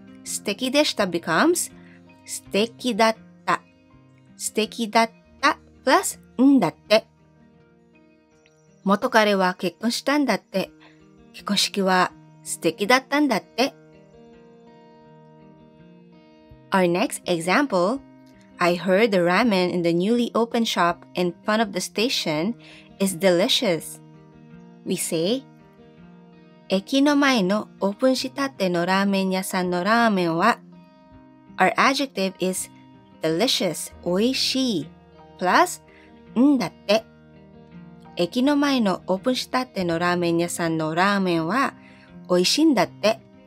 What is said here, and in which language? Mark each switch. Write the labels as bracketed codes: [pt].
[ja] 素敵でした [en] becomes [ja] 素敵だった。素敵だった [en] plus [ja] んだって。元彼は結婚したんだって。結婚式は素敵だったんだって。 [en] Our next example. I heard the ramen in the newly opened shop in front of the station is delicious. We say, [ja] 駅の前のオープンしたてのラーメン屋さんのラーメンは。 [en] Our adjective is delicious, [ja] 美味しい [en] plus, [ja] んだって。駅の前のオープンしたてのラーメン屋さんのラーメンは美味しいんだって。